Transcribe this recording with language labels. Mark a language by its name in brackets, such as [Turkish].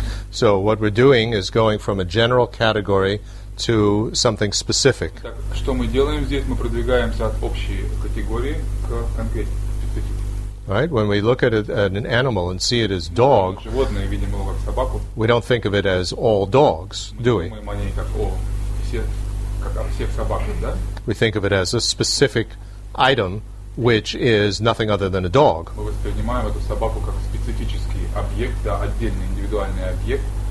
[English] So what we're doing is going from a general category to something specific. [Russian] Что мы делаем здесь? Мы продвигаемся от общей категории к конкретной. [English] Right? When we look at an animal and see it as dog, [Russian] животное, видим его как собаку. [English] We don't think of it as all dogs, do we? [Russian] Мы думаем о ней как о всех собаках, да? [English] We think of it as a specific item, which is nothing other than a dog. [Russian] Мы воспринимаем эту собаку как специфический объект, да, отдельный индивидуальный объект,